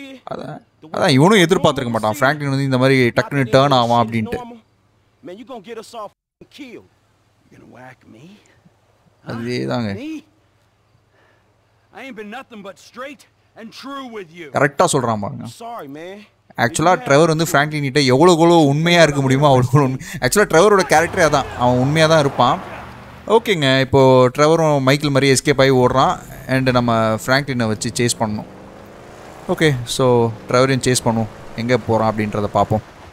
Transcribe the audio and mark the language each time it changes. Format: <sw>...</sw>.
<ta>அதான் இவனும் எதிர்பார்த்துருக்க மாட்டான் ஃப்ராங்க்லின் வந்து இந்த மாதிரி டக்குன்னு டேர்ன் ஆகும் அப்படின்ட்டு.</ta> <en>Man, you gonna get us off and kill. You gonna whack me?</en> <ta>அதேதாங்க.</ta> <en>I ain't been nothing but straight and true with you.</en> <ta>கரெக்ட்டா சொல்றான் பாருங்க.</ta> <en>Sorry, man.</en> <ta>ஆக்சுவலா ட்ரெவர் வந்து ஃப்ராங்க்லின் கிட்ட எவ்வளவு கோளோ உண்மையா இருக்க முடியுமோ அவ்வளவு உண்மை. ஆக்சுவலா ட்ரெவரோட கரெக்டரே அதான், அவன் உண்மையா தான் இருப்பான். ஓகேங்க, இப்போ ட்ரெவரும் மைக்கேல் மாதிரி எஸ்கேப் ஆகி ஓடுறான். அண்ட் நம்ம ஃப்ராங்க்லினை வச்சு சேஸ் பண்ணணும். ஓகே, ஸோ ட்ரெவரையும் சேஸ் பண்ணும், எங்கே போகிறான் அப்படின்றத பார்ப்போம்.</ta>